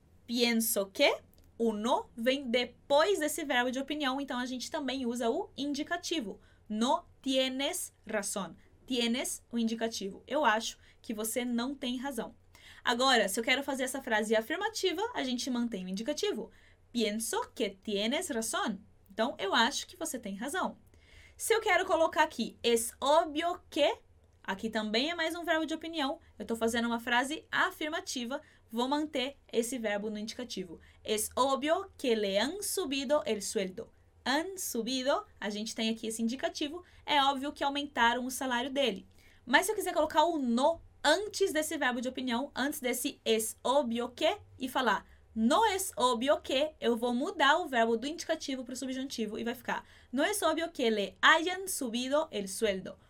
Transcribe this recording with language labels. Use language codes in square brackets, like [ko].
[es] Pienso que, [pt] o no vem depois desse verbo de opinião, então a gente também usa o indicativo. [es] No tienes razón. Tienes, [pt] o indicativo. Eu acho que você não tem razão. Agora, se eu quero fazer essa frase afirmativa, a gente mantém o indicativo. [es] Pienso que tienes razón. [pt] Então, eu acho que você tem razão. Se eu quero colocar aqui, [es] es obvio que, [pt] aqui também é mais um verbo de opinião, eu estou fazendo uma frase afirmativa, vou manter esse verbo no indicativo. [es] Es obvio que le han subido el sueldo. Han subido, [pt] a gente tem aqui esse indicativo, é óbvio que aumentaram o salário dele. Mas se eu quiser colocar o no antes desse verbo de opinião, antes desse es obvio que, e falar [es] no es obvio que, [pt] eu vou mudar o verbo do indicativo para o subjuntivo e vai ficar [es] no es obvio que le hayan subido el sueldo.